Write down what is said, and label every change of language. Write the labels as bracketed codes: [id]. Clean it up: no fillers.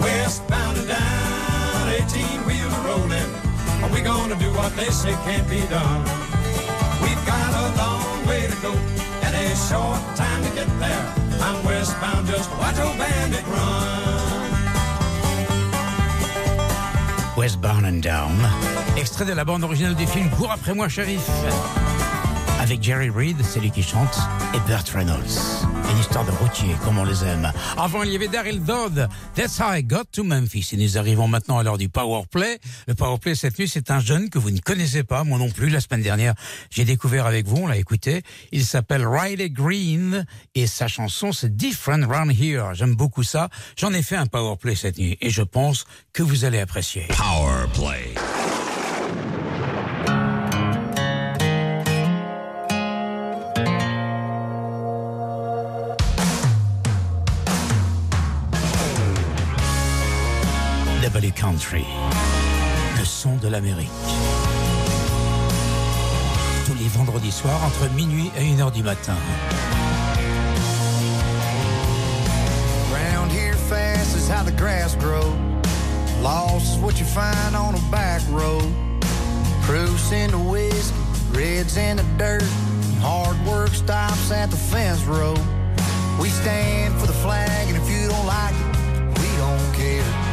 [en] Westbound and down, 18 wheels are rolling. Are we gonna do what they say can't be done? We've got a long way to go and a short time to get there. I'm westbound, just watch old Bandit run. [fr] Westbound and Down, extrait de la bande originale du film Cours après moi, shérif, avec Jerry Reed, c'est lui qui chante, et Burt Reynolds. Une histoire de routier, comme on les aime. Avant, il y avait Daryl Dodd, That's How I Got to Memphis. Et nous arrivons maintenant à l'heure du Power Play. Le Power Play, cette nuit, c'est un jeune que vous ne connaissez pas, moi non plus. La semaine dernière, j'ai découvert avec vous, on l'a écouté. Il s'appelle Riley Green et sa chanson, c'est Different Round Here. J'aime beaucoup ça. J'en ai fait un Power Play cette nuit et je pense que vous allez apprécier. Power Play. Valley Country, le son de l'Amérique. Tous les vendredis soirs entre minuit et 1h du matin. [en] Round here fast is how the grass grows. Lost is what you find on a back road. Proofs in the whiskey, reds in the dirt. Hard work stops at the fence road. We stand for the flag, and if you don't like it, we don't care.